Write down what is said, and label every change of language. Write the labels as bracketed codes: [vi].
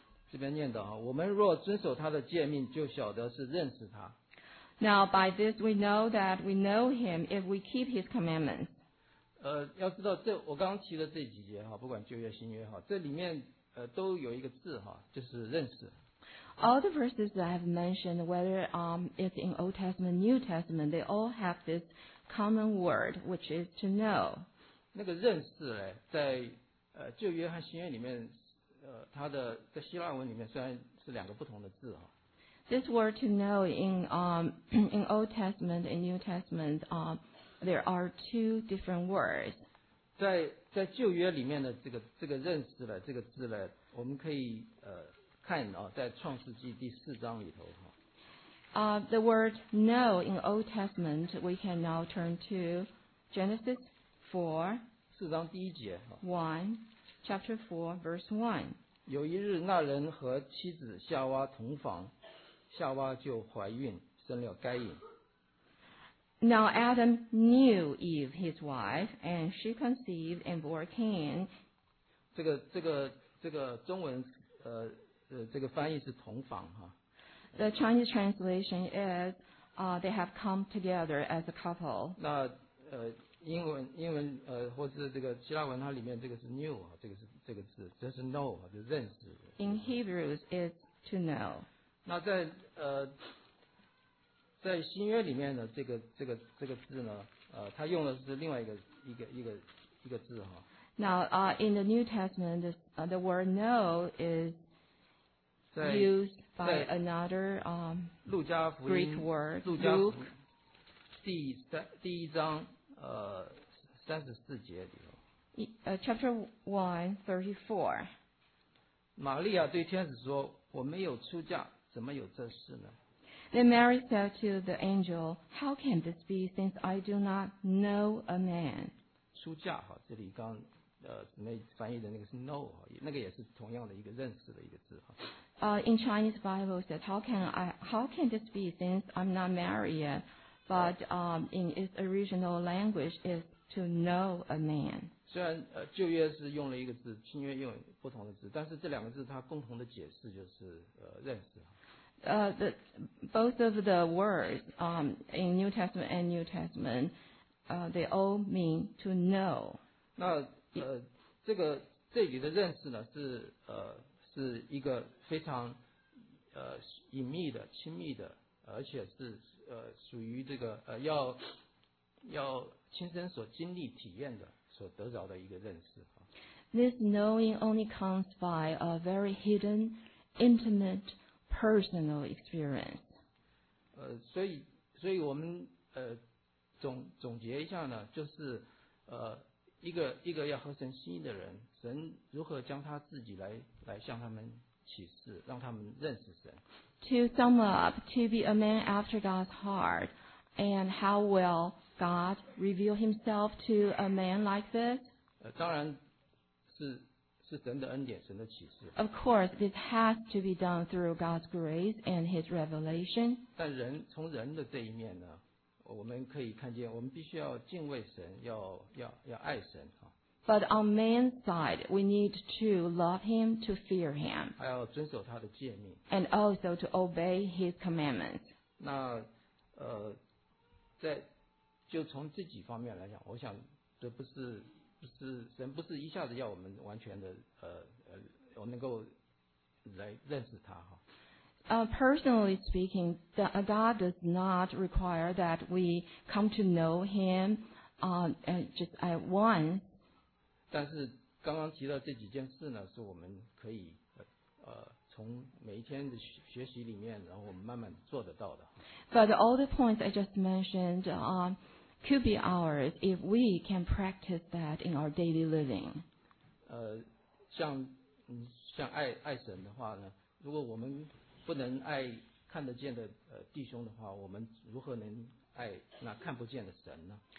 [zh] 这边念的，我们若遵守他的诫命，就晓得是认识他。 [en] Now by this we know that we know him if we keep his commandments. [zh] 要知道这我刚刚提的这几节哈，不管旧约新约哈，这里面都有一个字哈，就是认识。 [en] All the verses that I have mentioned, whether it's in Old Testament, New Testament, they all have this common word, which is to know. [zh] 那个认识嘞，在旧约和新约里面。它的在希腊文里面虽然是两个不同的字哈。 [en] This word to know in Old Testament and New Testament there are two different words. [zh] 在旧约里面的这个认识了这个字呢，我们可以看在创世纪第四章里头哈。 [en] The word know in Old Testament we can now turn to Genesis 4. [zh] 四章第一节哈。 [en] One. Chapter 4, verse 1. [zh] 有一日，那人和妻子夏娃同房，夏娃就怀孕，生了该隐。 [en] Now Adam knew Eve, his wife, and she conceived and bore Cain. [zh] 这个中文这个翻译是同房哈。 [en] The Chinese translation is, they have come together as a couple. [zh] 那英文或是这个希腊文，它里面这个是 new， 这个是这个字，这是 know， 就是认识。 [en] In Hebrews is to know。 [zh] 那在新约里面的这个字呢，它用的是另外一个字哈。 [en] Now in the New Testament, the word know is used by another Greek word. [zh] 路加福音第一章。三十四节里头。 [en] Chapter 1:34。 [zh] 玛利亚对天使说：“我没有出嫁，怎么有这事呢 [en] ？”Then Mary said to the angel, "How can this be, since I do not know a man?" [zh] 出嫁哈，这里刚那翻译的那个是 know 哈，那个也是同样的一个认识的一个字哈。 [en] In Chinese Bible it says, "How can this be, since I'm not married yet?" But in its original language is to know a man. [zh] 虽然旧约是用了一个字，新约用不同的字，但是这两个字它共同的解释就是认识。 [en] Both of the words in New Testament and New Testament they all mean to know. [zh] 那这个这里的认识呢，是是一个非常隐秘的、亲密的，而且是属于这个要亲身所经历、体验的、所得着的一个认识。 [en] This knowing only comes by a very hidden, intimate, personal experience. [zh] 所以我们总结一下呢，就是一个要合神心意的人，神如何将他自己来向他们启示，让他们认识神。 [en] To sum up, to be a man after God's heart, and how will God reveal Himself to a man like this? [zh] 当然是神的恩典，神的启示。 [en] Of course, this has to be done through God's grace and His revelation. [zh] 但人从人的这一面呢？我们可以看见，我们必须要敬畏神，要爱神。 [en] But on man's side, we need to love him, to fear him. [zh] 还要遵守他的诫命。 [en] And also to obey his commandments. [zh] 那在就从自己方面来讲，我想这不是神不是一下子要我们完全的我能够来认识他哈。 [en] Personally speaking, God does not require that we come to know Him just at once. [zh] 但是刚刚提到这几件事呢，是我们可以从每一天的学习里面，然后我们慢慢做得到的。 [en] But all the points I just mentioned could be ours if we can practice that in our daily living. [zh] 像爱神的话呢，如果我们不能爱看得见的弟兄的话，我们如何能爱那看不见的神呢？